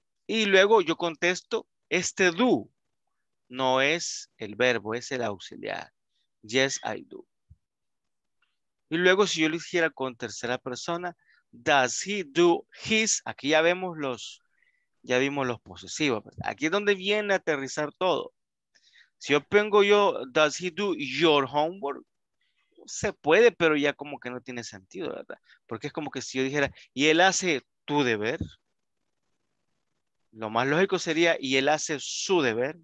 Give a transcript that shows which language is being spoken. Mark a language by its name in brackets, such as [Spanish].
[Spanish] Y luego yo contesto, este do no es el verbo, es el auxiliar. [English] Yes, I do. [Spanish] Y luego si yo lo hiciera con tercera persona, [English] does he do his, [Spanish] aquí ya vemos los, ya vimos los posesivos. Aquí es donde viene a aterrizar todo. Si yo pongo yo, [English] does he do your homework? [Spanish] Se puede, pero ya como que no tiene sentido, ¿verdad? Porque es como que si yo dijera, ¿y él hace tu deber? Lo más lógico sería, ¿y él hace su deber?